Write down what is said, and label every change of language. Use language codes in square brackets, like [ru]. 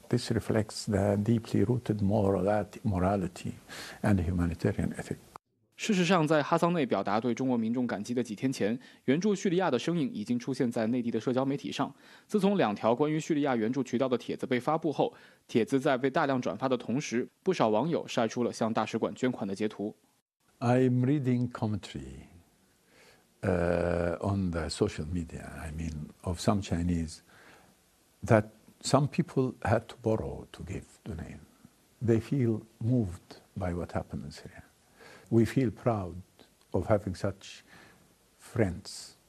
[en] This reflects the deeply rooted morality and humanitarian ethic. [zh] 事实上，在哈桑内表达对中国民众感激的几天前，援助叙利亚的声音已经出现在内地的社交媒体上。自从两条关于叙利亚援助渠道的帖子被发布后，帖子在被大量转发的同时，不少网友晒出了向大使馆捐款的截图。 [en] I'm reading commentary on the social media, I mean, of some Chinese, that some people had to borrow to give the name. They feel moved by what happened in Syria. We feel proud of having such friends.